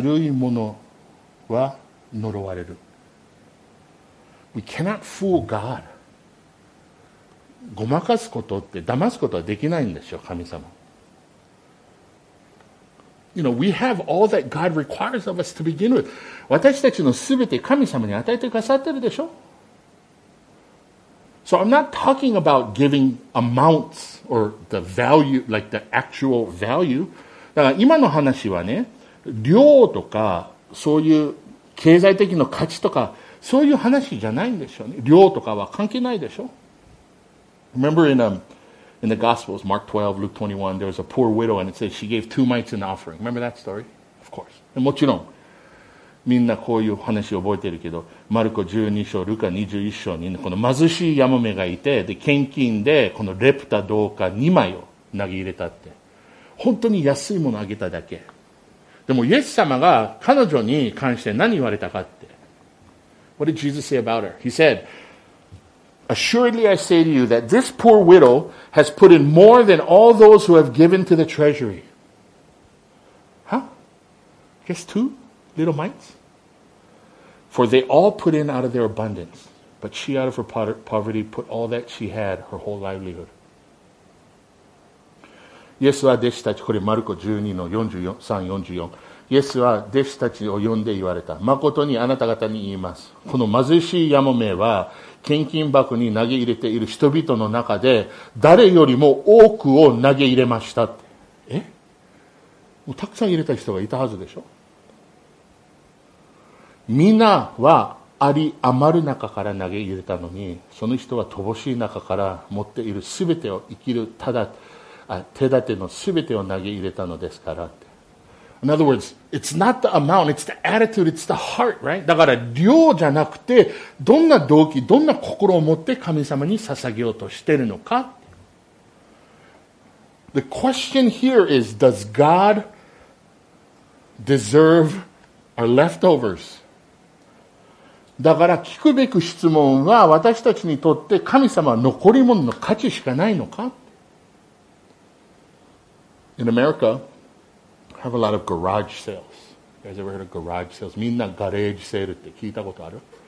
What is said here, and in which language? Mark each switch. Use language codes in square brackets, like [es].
[ja] ここに書いてあるのは、神様が言われたのは、ずるいものは呪われる。 [en] We cannot fool God. [ja] ごまかすことって、騙すことはできないんですよ、神様。 [en] You know, we have all that God requires of us to begin with. [ja] 私たちのすべて神様に与えてくださってるでしょ? [en] So I'm not talking about giving amounts or the value, like the actual value. [ja] だから今の話はね、量とかそういう経済的な価値とかそういう話じゃないんでしょうね。量とかは関係ないでしょ? [en] Remember in the Gospels, Mark 12, Luke 21, there was a poor widow, and it says she gave two mites in the offering. Remember that story? Of course. [ja] And もちろん. みんなこういう話を覚えてるけど、マルコ12章、ルカ21章にこの貧しいヤモメがいて、で献金でこのレプタどうか2枚を投げ入れたって、本当に安いものをあげただけ。でもイエス様が彼女に関して何言われたかって、 [en] What did Jesus say about her? He said, Assuredly I say to you that this poor widow has put in more than all those who have given to the treasury. Huh? Guess two little mites? For they all put in out of their abundance, but she out of her poverty put all that she had, her whole livelihood. [ja] イエスは弟子たち、これマルコ12の43、44。イエスは弟子たちを呼んで言われた。誠にあなた方に言います。この貧しいヤモメは、献金箱に投げ入れている人々の中で、誰よりも多くを投げ入れましたって。え？もうたくさん入れた人がいたはずでしょ？みんなは、あり余る中から投げ入れたのに、その人は乏しい中から持っているすべてを生きる、ただ、手立てのすべてを投げ入れたのですからって。 [en] In other words, it's not the amount, it's the attitude, it's the heart, right? [ja] だから量じゃなくて、どんな動機、どんな心を持って神様に捧げようとしているのか。 [en] The question here is, does God deserve our leftovers? [ja] だから聞くべく質問は、私たちにとって神様は残り物の価値しかないのか。 [en] In America, I have a lot of garage sales. You guys ever heard of garage sales? [ja] みんなガレージセールって聞いたことある？